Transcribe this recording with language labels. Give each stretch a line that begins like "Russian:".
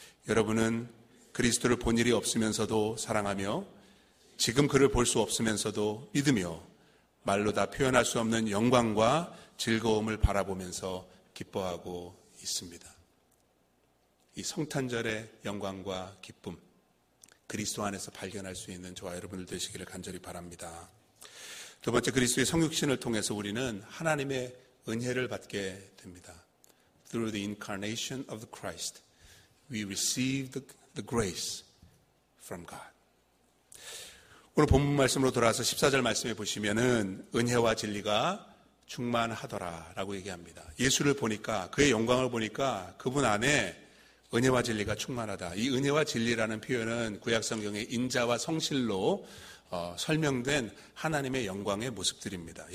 Korean: 여러분은 그리스도를 본 일이 없으면서도 사랑하며 지금 그를 볼 수 없으면서도 믿으며 말로 다 표현할 수 없는 영광과 즐거움을 바라보면서 기뻐하고 있습니다. 이 성탄절의 영광과 기쁨 그리스도 안에서 발견할 수 있는 저와 여러분들 되시기를 간절히 바랍니다. 두 번째, 그리스도의 성육신을 통해서 우리는 하나님의 은혜를 받게 됩니다.
English: Through the incarnation of the Christ, we receive the grace from God.
Korean: 오늘 본문 말씀으로 돌아와서 14절 말씀해 보시면은 은혜와 진리가 충만하더라 라고 얘기합니다. 예수를 보니까 그의 영광을 보니까 그분 안에 은혜와 진리가 충만하다. 이 은혜와 진리라는 표현은 구약성경의 인자와 성실로 설명된 하나님의 영광의 모습들입니다.